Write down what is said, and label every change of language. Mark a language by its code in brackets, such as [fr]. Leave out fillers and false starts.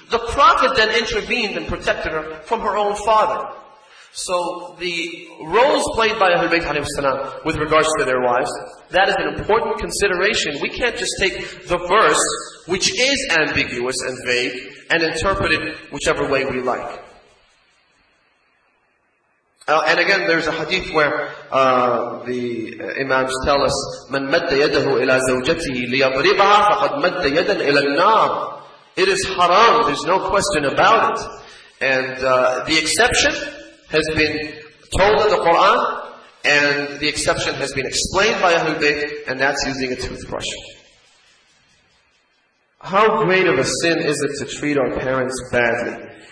[en] The Prophet then intervened and protected her from her own father. So the roles played by Ahlul Bayt alayhi wasalam with regards to their wives, that is an important consideration. We can't just take the verse, which is ambiguous and vague, and interpret it whichever way we like. And again, there's a hadith where the Imams tell us, [ar] "من مد يده إلى زوجته ليضربها فقد مد يدا إلى النار." [en] It is haram. There's no question about it. And the exception has been told in the Quran, and the exception has been explained by Ahlul Bayt, and that's using a toothbrush. How great of a sin is it to treat our parents badly?